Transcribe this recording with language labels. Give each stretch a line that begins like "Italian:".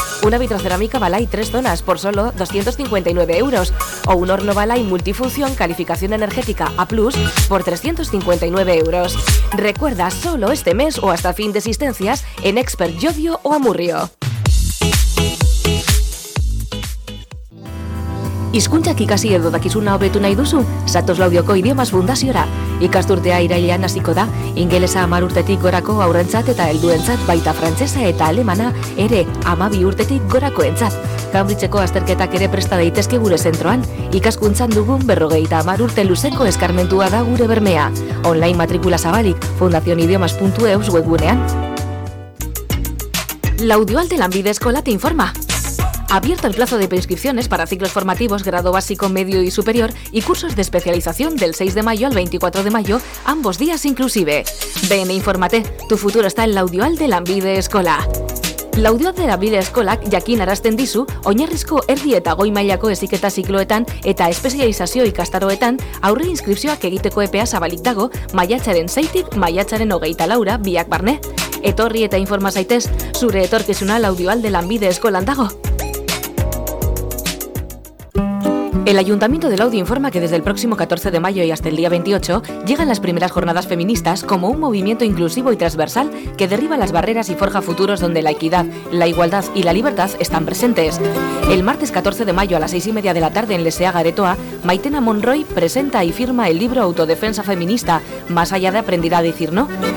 Spanish: Una vitrocerámica Balay 3 zonas por solo 259 euros. O un horno Balay multifunción calificación energética A+, por 359 euros. Recuerda, solo este mes o hasta fin de existencias en Expert Llodio o Amurrio.
Basque: Hizkuntzak ikasi edo dakizuna hobetu nahi duzu? Zatoz Laudioko Idiomas Fundaziora. Ikasturtea irailean hasiko da, ingelesa 10 urtetik gorako haurrentzat eta helduentzat, baita frantsesa eta alemana ere 12 urtetik gorakoentzat. Cambridgeko azterketak ere presta daitezke gure zentroan. Ikaskuntzan dugun 50 urte luzeko eskarmentua da gure bermea. Online matrikula zabalik fundacionidiomas.eu webgunean.
Spanish: Laudioalde Lanbide Eskola te informa. Abierto el plazo de preinscripciones para ciclos formativos, grado básico, medio y superior y cursos de especialización del 6 de mayo al 24 de mayo, ambos días inclusive. Ven e infórmate, tu futuro está en Laudioalde Lanbide Eskola.
Basque: Laudioalde Lanbide Eskolak jakinarazten dizu, oinarrizko erdi eta goi mailako heziketa zikloetan eta espezializazio ikastaroetan aurre inskripzioak egiteko epea zabalik dago maiatzaren 6-tik maiatzaren 24-ra biak barne. Etorri eta informa zaitez, zure etorkizuna Laudioalde Lanbide Eskolan dago.
Spanish: El Ayuntamiento de Laudio informa que desde el próximo 14 de mayo y hasta el día 28 llegan las primeras jornadas feministas como un movimiento inclusivo y transversal que derriba las barreras y forja futuros donde la equidad, la igualdad y la libertad están presentes. El martes 14 de mayo a las 6:30 de la tarde en Leseaga Aretoa, Maitena Monroy presenta y firma el libro Autodefensa Feminista, más allá de Aprender a Decir No.